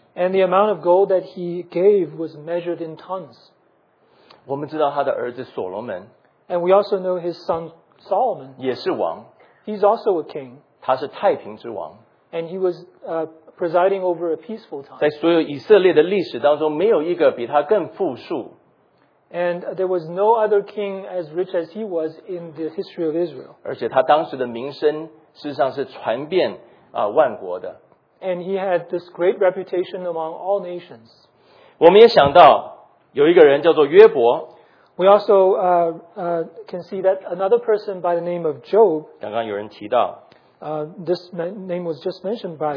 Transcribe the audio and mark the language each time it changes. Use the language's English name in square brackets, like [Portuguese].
[English] And the amount of gold that he gave was measured in tons. [Chinese] 我们知道他的儿子所罗门, [English] and we also know his son Solomon. [Chinese] 也是王, [English] he's also a king. [Chinese] 他是太平之王, [English] and he was presiding over a peaceful time. [Chinese] 在所有以色列的历史当中, 没有一个比他更富庶。 [English] And there was no other king as rich as he was in the history of Israel. [Chinese] 而且他当时的名声事实上是传遍万国的。 [English] And he had this great reputation among all nations. [Chinese] 我们也想到有一个人叫做约伯。 [English] We also can see that another person by the name of Job. [Chinese] 刚刚有人提到, [English] this name was just mentioned by.